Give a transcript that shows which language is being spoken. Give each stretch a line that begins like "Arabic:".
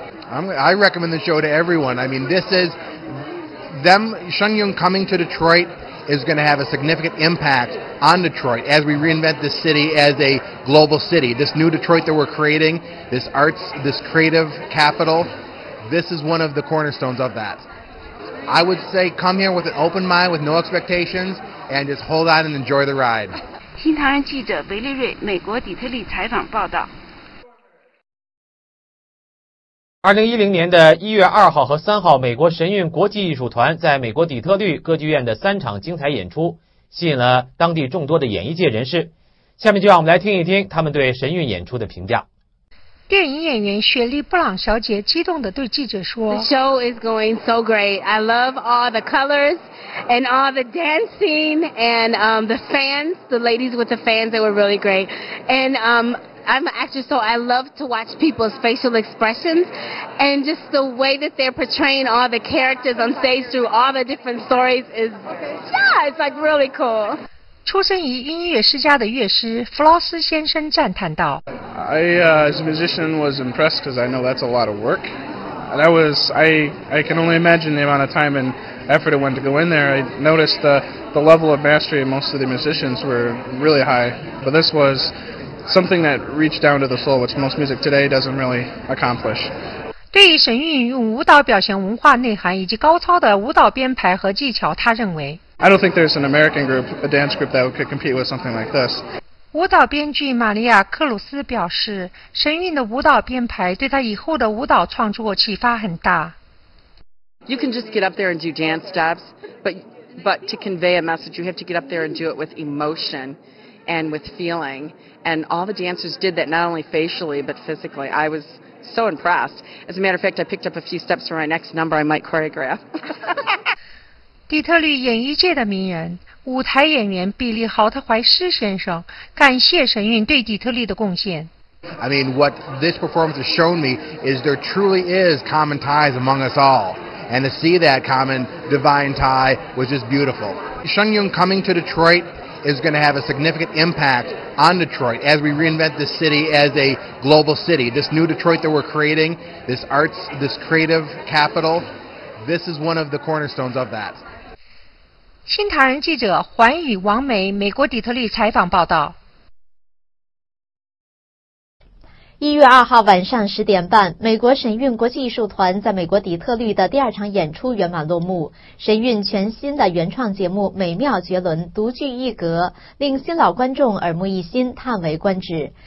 English: I recommend the show to everyone. I mean, this is them, Sheng Yun coming to Detroit is going to have a significant impact on Detroit as we reinvent this city as a global city. This new Detroit that we're creating, this arts, this creative capital, this is one of the cornerstones of that. I would say come here with an open mind, with no expectations, and just hold on and enjoy the ride.
Chinese: 新唐人记者维利瑞，美国底特律采访报道。 2010年的1月2号和3号，美国神韵国际艺术团在美国底特律歌剧院的三场精彩演出吸引了当地众多的演艺界人士。下面就让我们来听一听他们对神韵演出的评价。电影演员雪莉·布朗小姐激动地对记者说，
English: The show is going so great. I love all the colors and all the dancing and the fans, the ladies with the fans, they were really great. AndI'm an actress, so I love to watch people's facial expressions and just the way that they're portraying all the characters on stage through all the different stories is, yeah, it's like really cool.
Chinese: 出生于音乐世家的乐师弗劳斯先生赞叹道
English: I as a musician was impressed because I know that's a lot of work. That was, I can only imagine the amount of time and effort it went to go in there. I noticed the level of mastery of most of the musicians were really high, but this wasSomething that reached down to the soul, which most music today doesn't really accomplish.
Chinese: 对于神韵用舞蹈表现文化内涵以及高超的舞蹈编排和技巧，他认为
English: I don't think there's an American group, a dance group that could compete with something like this.
Chinese: 舞蹈编剧玛利亚·克鲁斯表示，神韵的舞蹈编排对他以后的舞蹈创作启发很大。
English: You can just get up there and do dance steps, but to convey a message, you have to get up there and do it with emotion. And with feeling, and all the dancers did that not only facially but physically. I was so impressed. As a matter of fact, I picked up a few steps for my next number I might choreograph.
Chinese: 底特律演艺界的名人，舞台演员比利·豪特怀斯先生感谢神韵对底特律的贡献。
English: I mean, what this performance has shown me is there truly is common ties among us all, and to see that common divine tie was just beautiful. Sheng Yun coming to Detroit. Is going to have a significant impact on Detroit as we reinvent this city as a global city. This new Detroit that we're creating, this arts, this creative capital, this is one of the cornerstones of that.
Chinese: 新唐人记者环宇王梅美国底特律采访报道。 1月2号晚上10点半，美国神韵国际艺术团在美国底特律的第二场演出圆满落幕。神韵全新的原创节目《美妙绝伦》独具一格，令新老观众耳目一新，叹为观止。